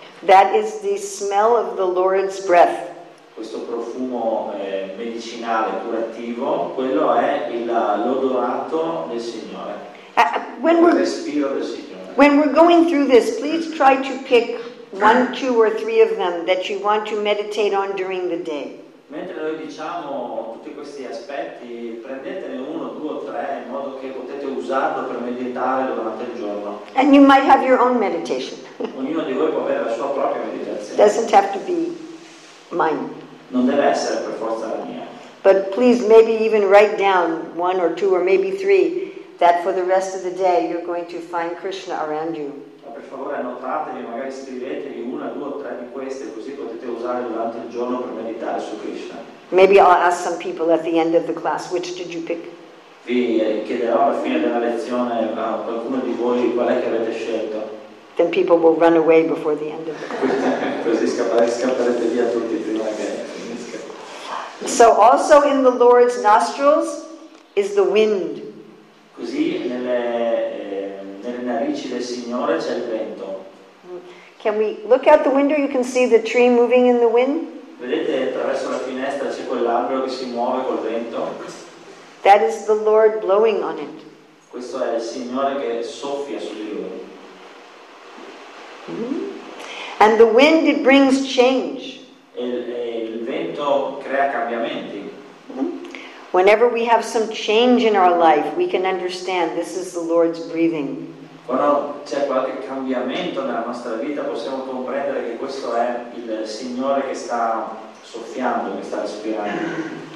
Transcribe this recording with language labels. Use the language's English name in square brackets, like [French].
[English] that is the smell of the Lord's breath. [Italian] Questo profumo medicinale curativo, quello è l'odorato del Signore. [English] When we're going through this, please try to pick one, two, or three of them that you want to meditate on during the day. [Italian] Mentre noi diciamo tutti questi aspetti, prendetene uno, due, tre, in modo che potete usarlo per meditare durante il giorno. [English] And you might have your own meditation. [Italian] Ognuno di voi può avere la sua propria meditazione. [English] Doesn't have to be mine. [Italian] Non deve essere per forza la mia. [English] But please, maybe even write down one or two or maybe three that for the rest of the day you're going to find Krishna around you. [Italian] Ma per favore annotatevi, magari scrivetevi una, due o tre di queste, così potete usare durante il giorno per meditare su Krishna. [English] Maybe I'll ask some people at the end of the class, which did you pick? [Italian] Vi chiederò alla fine della lezione a qualcuno di voi qual è che avete scelto. [English] Then people will run away before the end of the class. [Italian] Così scapperete via tutti prima che finisca. [English] So also in the Lord's nostrils is the wind. [Italian] Così nelle narici del Signore c'è il vento. [English] Can we look out the window? You can see the tree moving in the wind. [Italian] Vedete attraverso la finestra c'è quell'albero che si muove col vento. [English] That is the Lord blowing on it. [Italian] Questo è il Signore che soffia su di lui. Mm-hmm. [English] And the wind, it brings change. [Italian] Il vento crea cambiamenti. [English] Whenever we have some change in our life, we can understand this is the Lord's breathing. [Italian] Quando c'è qualche cambiamento nella nostra vita, possiamo comprendere che questo è il Signore che sta soffiando, che sta respirando.